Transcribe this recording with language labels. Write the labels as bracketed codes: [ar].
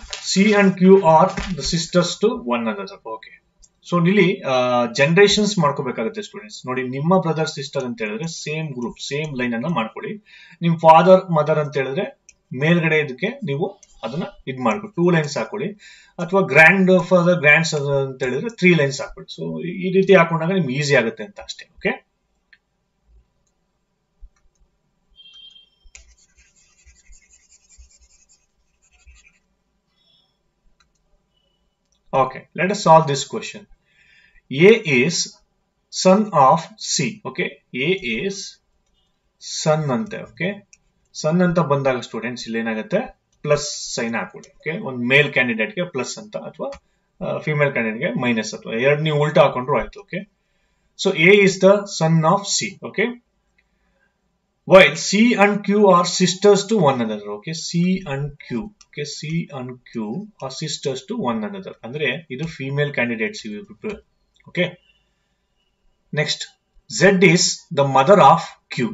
[en] C and Q are the sisters to one another. Okay. [kn] So, ಇಲ್ಲಿ generations ಮಾಡ್ಕೋಬೇಕಾಗುತ್ತೆ students. ನೋಡಿ, ನಿಮ್ಮ brother sister ಅಂತ ಹೇಳಿದ್ರೆ ಸೇಮ್ ಗ್ರೂಪ್, ಸೇಮ್ ಲೈನ್ ಅನ್ನ ಮಾಡ್ಕೊಳ್ಳಿ. ನಿಮ್ ಫಾದರ್ ಮದರ್ ಅಂತ ಹೇಳಿದ್ರೆ ಮೇಲ್ಗಡೆ ಇದಕ್ಕೆ ನೀವು ಅದನ್ನ ಇದ್ ಮಾಡ್ಕೊಳಿ, ಟೂ ಲೈನ್ಸ್ ಹಾಕೊಳ್ಳಿ. ಅಥವಾ ಗ್ರ್ಯಾಂಡ್ ಫಾದರ್ ಗ್ರ್ಯಾಂಡ್ ಸದರ್ ಅಂತ ಹೇಳಿದ್ರೆ ತ್ರೀ ಲೈನ್ಸ್ ಹಾಕೊಳ್ಳಿ. ಸೊ ಈ ರೀತಿ ಹಾಕೊಂಡಾಗ ನಿಮ್ಗೆ ಈಸಿ ಆಗುತ್ತೆ ಅಂತ ಅಷ್ಟೇ. [en] Okay, okay, let us solve this question. A is son of C. Okay. A is son ಅಂತೆ. Okay. [kn] Son ಅಂತ ಬಂದಾಗ ಸ್ಟೂಡೆಂಟ್ಸ್ ಇಲ್ಲಿ ಏನಾಗುತ್ತೆ, ಪ್ಲಸ್ ಸೈನ್ ಹಾಕೊಳ್ಳಿ. ಓಕೆ, ಒಂದು ಮೇಲ್ ಕ್ಯಾಂಡಿಡೇಟ್ಗೆ ಪ್ಲಸ್ ಅಂತ, ಅಥವಾ ಫಿಮೇಲ್ ಕ್ಯಾಂಡಿಡೇಟ್ಗೆ ಮೈನಸ್, ಅಥವಾ ಎರಡು ನೀವು ಉಲ್ಟಾ ಹಾಕೊಂಡ್ರು ಆಯ್ತು. [en] Okay, so A is the son of C. Okay. While C and Q are sisters to one another. Okay. C and Q. C and Q are sisters to one another. [kn] ಅಂದ್ರೆ ಇದು female candidates. [en] Okay, next Z is the mother of Q.